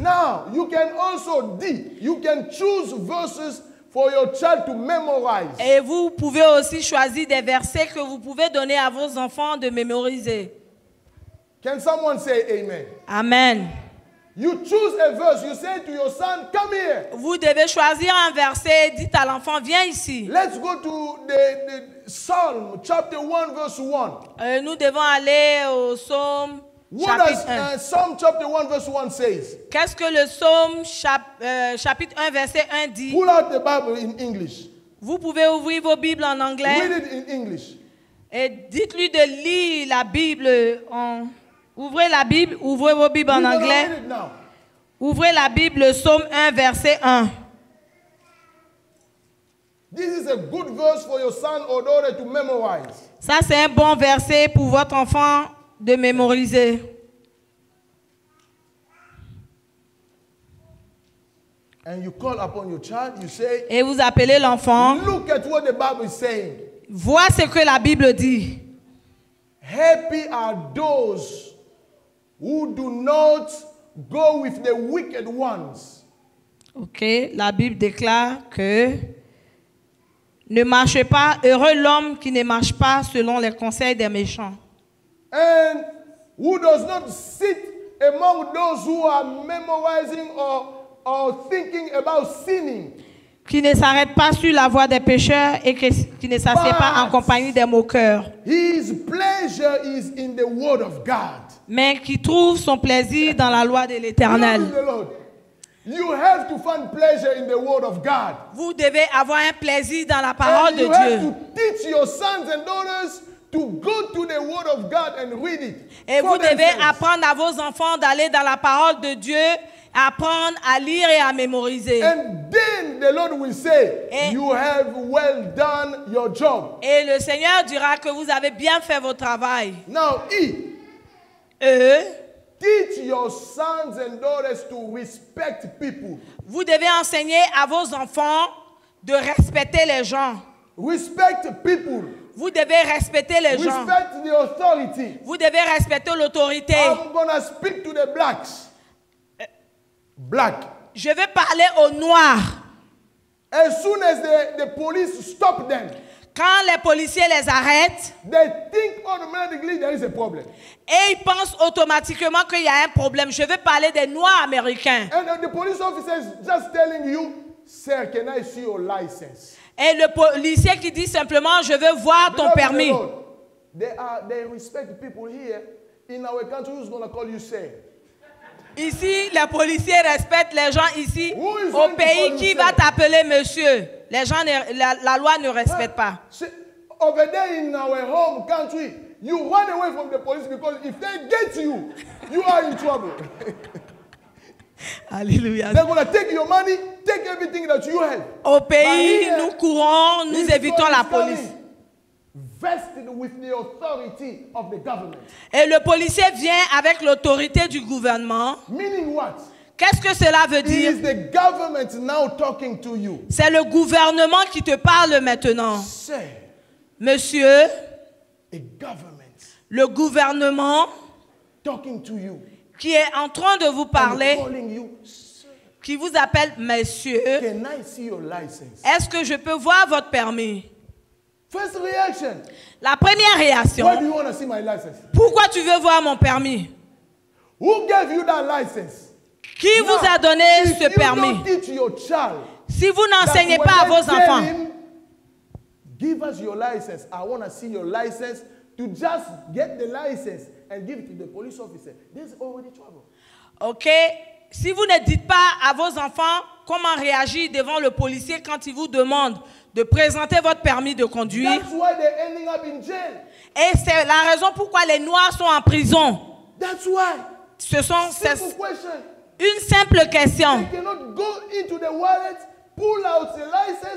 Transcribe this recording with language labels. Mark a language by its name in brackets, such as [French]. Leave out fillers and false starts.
[English] Now you can also you can choose verses for your child to memorize. [French] Et vous pouvez aussi choisir des versets que vous pouvez donner à vos enfants de mémoriser. [English] Can someone say amen? Amen. You choose a verse. You say to your son, "Come here." [French] Vous devez choisir un verset. Dites à l'enfant, viens ici. [English] Let's go to the Psalm chapter 1 verse 1. [French] Nous devons aller au psaume [English] Psalm chapter 1 verse 1 says? [French] Qu'est-ce que le psaume chapitre 1 verset 1 dit? [English] Pull out the Bible in English. [French] Vous pouvez ouvrir vos Bibles en anglais. [English] Read it in English. [French] Et dites-lui de lire la Bible en ouvrez la Bible, ouvrez vos Bibles en anglais. Ouvrez la Bible, le psaume 1 verset 1. [English] This is a good verse for your son or daughter to memorize. [French] Ça c'est un bon verset pour votre enfant de mémoriser. [English] And you call upon your child, you say, [French] et vous appelez l'enfant. [English] Look at what the Bible is saying. [French] Vois ce que la Bible dit. [English] Happy are those who do not go with the wicked ones. [French] OK, la Bible déclare que ne marchez pas, heureux l'homme qui ne marche pas selon les conseils des méchants. [English] And who does not sit among those who are memorizing or thinking about sinning. [French] Qui ne s'arrête pas sur la voie des pécheurs et qui ne s'assied pas en compagnie des moqueurs. [English] His pleasure is in the word of God. [French] Mais qui trouve son plaisir dans la loi de l'Éternel. [English] You have to find pleasure in the word of God. [French] Vous devez avoir un plaisir dans la parole de Dieu. [English] You have to teach your sons and daughters to go to the word of God and read it. [French] Et vous devez apprendre à vos enfants d'aller dans la parole de Dieu, apprendre à lire et à mémoriser. [English] And then the Lord will say, you have well done your job. [French] Et le Seigneur dira que vous avez bien fait votre travail. [English] Now, teach your sons and daughters to respect people. [French] Vous devez enseigner à vos enfants de respecter les gens. [English] Respect people. [French] Vous devez respecter les [English] respect [French] gens. [English] Respect the authority. [French] Vous devez respecter l'autorité. [English] I'm gonna speak to the blacks. Black. [French] Je vais parler aux noirs. [English] As soon as the police stop them. [French] Quand les policiers les arrêtent, [English] they think automatically there is a problem. [French] Et ils pensent automatiquement qu'il y a un problème. Je vais parler des noirs américains. [English] And the police officer is just telling you, sir, can I see your license? [French] Et le policier qui dit simplement, je veux voir ton permis. [English] They respect people here in our country who's going to call you sir. [French] Ici, les policiers respectent les gens ici au pays qui va t'appeler monsieur. Les gens, la loi ne respecte pas. [English] Over there in our home country, you run away from the police because if they get you, you are in trouble. [French] Alléluia. [English] They're going to take your money, take everything that you have. [French] Au pays, nous courons, nous évitons la police. [English] Vested with the authority of the government. [French] Et le policier vient avec l'autorité du gouvernement. [English] Meaning what? [French] Qu'est-ce que cela veut dire? [English] It is the government now talking to you. [French] C'est le gouvernement qui te parle maintenant. [English] Sir, [French] monsieur, [English] a government [French] le gouvernement [English] talking to you [French] qui est en train de vous parler, [English] calling you, [French] qui vous appelle monsieur, [English] can I see your license? [French] Est-ce que je peux voir votre permis? [English] First reaction. [French] La première réaction. [English] Why do you want to see my license? [French] Pourquoi tu veux voir mon permis? [English] Who gave you that license? [French] Qui [English] now, [French] vous a donné ce permis? [English] If you don't teach your child, [French] si vous n'enseignez pas à vos enfants. [English] Him, give us your license. I want to see your license to just get the license and give it to the police officer. This is already trouble. [French] OK, si vous ne dites pas à vos enfants comment réagir devant le policier quand il vous demande de présenter votre permis de conduire. [English] That's why they're ending up in jail. [French] Et c'est la raison pourquoi les Noirs sont en prison. [English] That's why. [French] Ce sont [English] simple question. [French] Une simple question. [English] They cannot go into the wallet, pull out the license,